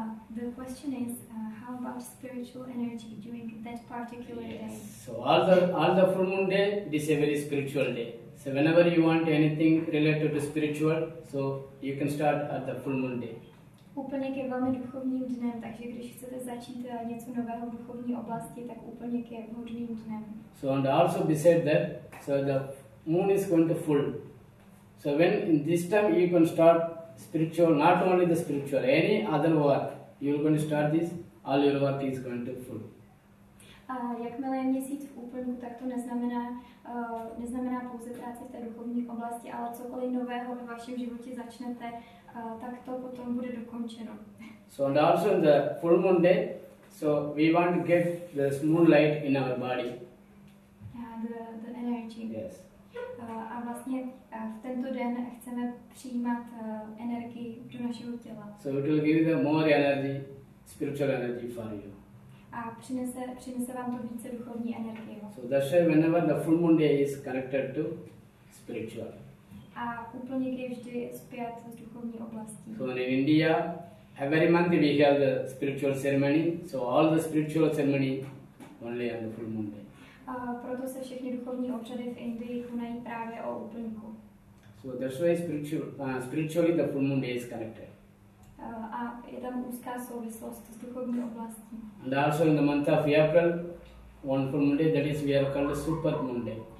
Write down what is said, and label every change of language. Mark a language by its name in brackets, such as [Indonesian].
[English] The question is, how about spiritual energy during that particular day? So all the full moon day, this is a very spiritual day. So whenever you want anything related to spiritual, so you can start at the full moon day. [Czech] Úplněk je velmi duchovním dnem, takže když chcete začít něco nového v duchovní oblasti, tak úplněk je vhodným dnem. [English] So and also beside that, so the moon is going to full. So when in this time you can start spiritual, not only the spiritual, any other work, you're going to start this, all your work is going to full. [Czech] Jakmile je měsíc v úplňku, tak to neznamená, neznamená pouze práci v té duchovní oblasti, ale cokoliv nového ve vašem životě začnete, tak to potom bude dokončeno. [English] So and also in the full moon day, so we want to get the moonlight in our body. The energy. Yes. [Czech] A vlastně v tento den chceme přijímat energii do našeho těla. [English] So it will give you more energy, spiritual energy for you. [Czech] A přinese vám to více duchovní energie. [English] So that's why whenever the full moon day is connected to spiritual. [Czech] A úplně je vždy spjat s duchovní oblastí. [English] So in India, every month we have the spiritual ceremony. So all the spiritual ceremony only on the full moon day. [Czech] Proto se všechny duchovní obřady v Indii konají právě o úplňku. [English] So that's why spiritually the full moon day is connected. [Czech] A je tam úzká souvislost s duchovní oblastí. [English] And also in the month of April, one full moon day, that is we are called the super moon day.